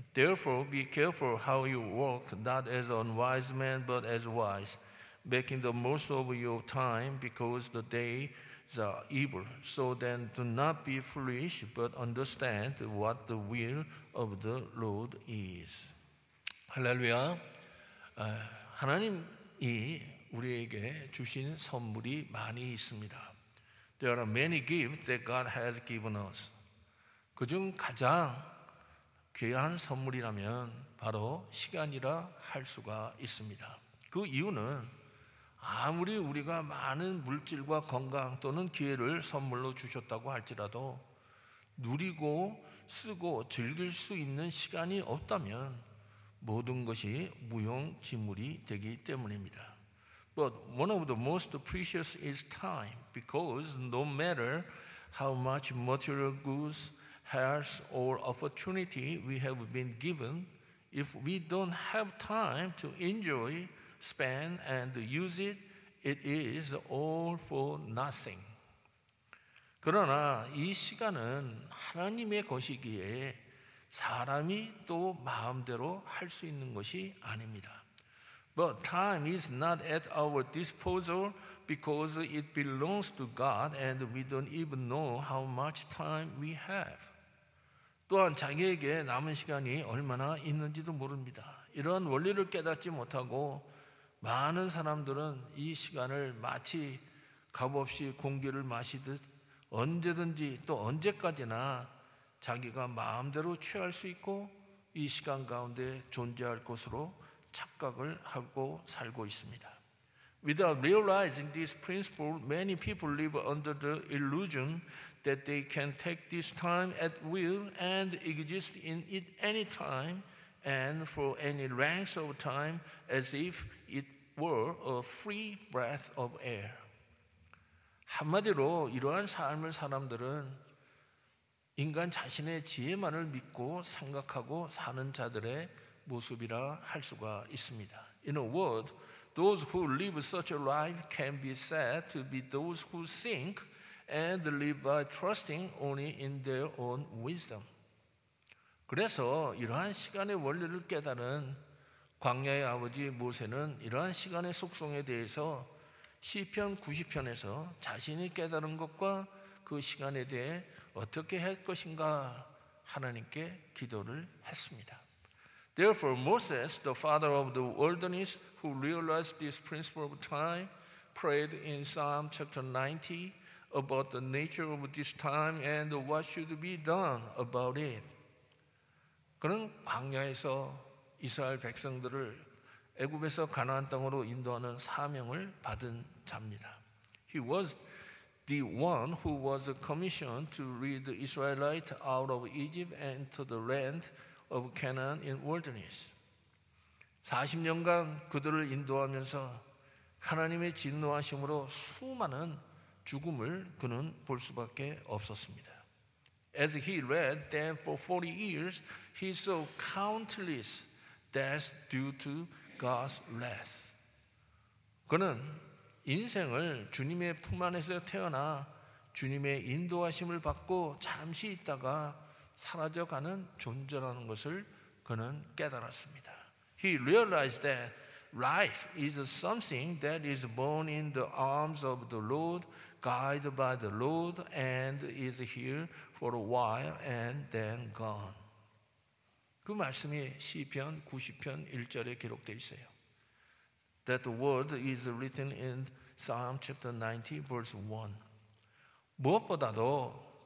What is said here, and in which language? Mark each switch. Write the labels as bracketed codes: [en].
[en] Therefore, be careful how you walk, not as unwise men, but as wise, making the most of your time, because the day are evil. So then do not be foolish, but understand what the will of the Lord is. [ko] 할렐루야. 하나님이 우리에게 주신 선물이 많이 있습니다. [en] There are many gifts that God has given us. [ko] 그중 가장 귀한 선물이라면 바로 시간이라 할 수가 있습니다. 그 이유는 아무리 우리가 많은 물질과 건강 또는 기회를 선물로 주셨다고 할지라도 누리고 쓰고 즐길 수 있는 시간이 없다면 모든 것이 무용지물이 되기 때문입니다. [en] But one of the most precious is time, because no matter how much material goods, health or opportunity we have been given, if we don't have time to enjoy, spend and use it, it is all for nothing. [ko] 그러나 이 시간은 하나님의 것이기에 사람이 또 마음대로 할 수 있는 것이 아닙니다. [en] But time is not at our disposal because it belongs to God and we don't even know how much time we have. [ko] 또한 자기에게 남은 시간이 얼마나 있는지도 모릅니다. 이런 원리를 깨닫지 못하고 많은 사람들은 이 시간을 마치 값없이 공기를 마시듯 언제든지 또 언제까지나 자기가 마음대로 취할 수 있고 이 시간 가운데 존재할 것으로 착각을 하고 살고 있습니다. [en] Without realizing this principle, many people live under the illusion that they can take this time at will and exist in it anytime and for any length of time as if it were a free breath of air. [ko] 한마디로 이러한 삶을 사람들은 인간 자신의 지혜만을 믿고 생각하고 사는 자들의 모습이라 할 수가 있습니다. [en] In a word, those who live such a life can be said to be those who think and live by trusting only in their own wisdom. [ko] 그래서 이러한 시간의 원리를 깨달은 광야의 아버지 모세는 이러한 시간의 속성에 대해서 시편 90편에서 자신이 깨달은 것과 그 시간에 대해 어떻게 할 것인가 하나님께 기도를 했습니다. [en] Therefore, Moses, the father of the wilderness, who realized this principle of time, prayed in Psalm chapter 90 about the nature of this time and what should be done about it. [ko] 그는 광야에서 이스라엘 백성들을 애굽에서 가나안 땅으로 인도하는 사명을 받은 자입니다. [en] He was the one who was commissioned to lead the Israelites out of Egypt and to the land of Canaan in wilderness. [ko] 40년간 그들을 인도하면서 하나님의 진노하심으로 수많은 죽음을 그는 볼 수밖에 없었습니다. [en] As he led them for 40 years, he saw countless deaths due to God's wrath. [ko] 그는 인생을 주님의 품 안에서 태어나 주님의 인도하심을 받고 잠시 있다가 사라져가는 존재라는 것을 그는 깨달았습니다. [en] He realized that life is something that is born in the arms of the Lord, guided by the Lord, and is here for a while and then gone. [ko] 그 말씀이 시편 90편 1절에 기록되어 있어요. [en] That the word is written in Psalm chapter 90 verse 1. [ko] 무엇보다도